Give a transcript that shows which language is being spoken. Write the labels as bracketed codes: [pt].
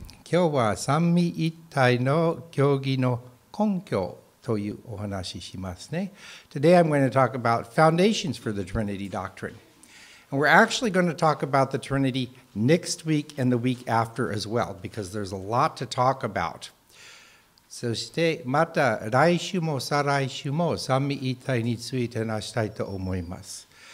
[ja] 今日は三位一体の教義の根拠というお話ししますね。 [en] Today I'm going to talk about foundations for the Trinity Doctrine. And we're actually going to talk about the Trinity next week and the week after as well, because there's a lot to talk about. [ja] そしてまた来週も再来週も三位一体について話したいと思います。